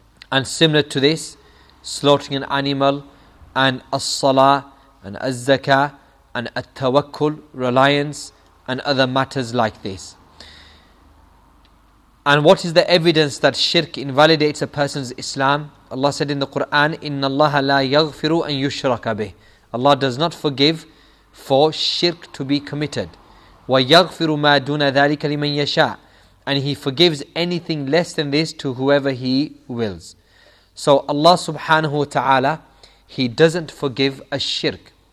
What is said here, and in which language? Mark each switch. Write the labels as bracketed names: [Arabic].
[English] And similar to this, slaughtering an animal and as-salah and az-zakah and at-tawakkul, reliance, and other matters like this. And what is the evidence that shirk invalidates a person's Islam? [Arabic] Allah [English] said in the Quran, [Arabic] إِنَّ اللَّهَ لَا يَغْفِرُ أَن يُشْرَكَ بِهِ. [English] Allah does not forgive for shirk to be committed. [Arabic] وَيَغْفِرُ مَا دُونَ ذَلِكَ لِمَن يَشَاءُ. [English] And He forgives anything less than this to whoever He wills. So Allah subhanahu wa ta'ala, He doesn't forgive a shirk.